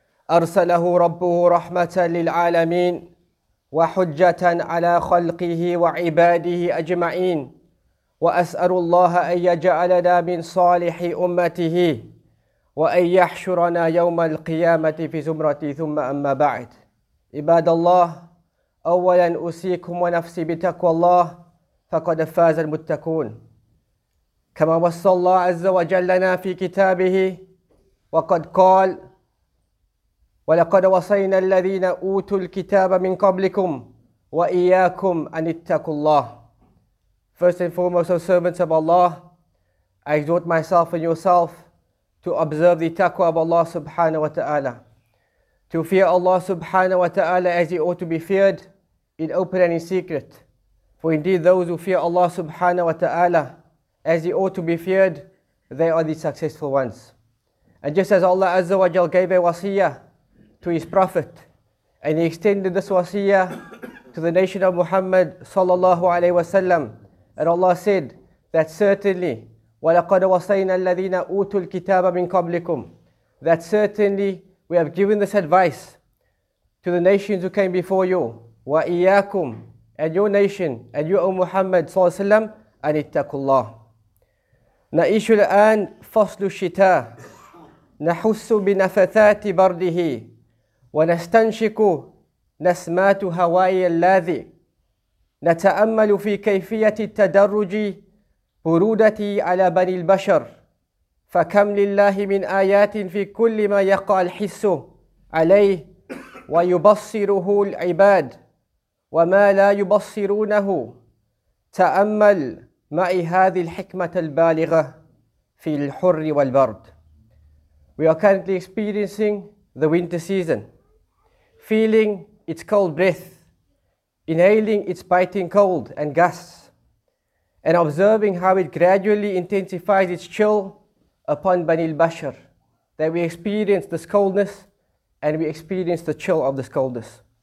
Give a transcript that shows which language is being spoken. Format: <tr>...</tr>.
<ar>أرسله ربه رحمة للعالمين وحجة على خلقه وعباده أجمعين وأسأل الله أن يجعلنا من صالح أمته وأن يحشرنا يوم القيامة في زمرته ثم أما بعد عباد الله أولا أوصيكم ونفسي بتقوى الله فقد فاز المتقون كما وصى الله عز وجلنا في كتابه وقد قال ولقد وصينا الذين أوتوا الكتاب من قبلكم وإياكم أن اتقوا الله.</ar> <en>First and foremost, O servants of Allah, I exhort myself and yourself to observe the taqwa of Allah subhanahu wa ta'ala, to fear Allah subhanahu wa ta'ala as He ought to be feared, in open and in secret. For indeed those who fear Allah subhanahu wa ta'ala as He ought to be feared, they are the successful ones. And just as Allah Azza wa Jal gave a wasiyah to His Prophet, and He extended this wasiyah to the nation of Muhammad sallallahu alayhi wa sallam, and Allah said that certainly,</en> <ar>وَلَقَدْ وَصَيْنَا الَّذِينَ أُوتُوا الْكِتَابَ مِنْ قَبْلِكُمْ,</ar> <en>that certainly we have given this advice to the nations who came before you,</en> <ar>وَإِيَّاكُمْ,</ar> <en>and your nation, and you, O Muhammad sallallahu alayhi wa sallam,</en> <ar>أن اتقوا الله. نعيش الآن فصل الشتاء نحس بنفثات برده ونستنشق نسمات هوائي اللاذي نتأمل في كيفية التدرج برودتي على بني البشر فكم لله من آيات في كل ما يقع الحس عليه ويبصره العباد وما لا يبصرونه تأمل معي هذه الحكمة البالغة في الحر والبرد.</ar> <en>We are currently experiencing the winter season, feeling its cold breath, inhaling its biting cold and gusts, and observing how it gradually intensifies its chill upon Bani al-Bashar, that we experience this coldness and we experience the chill of this coldness.</en>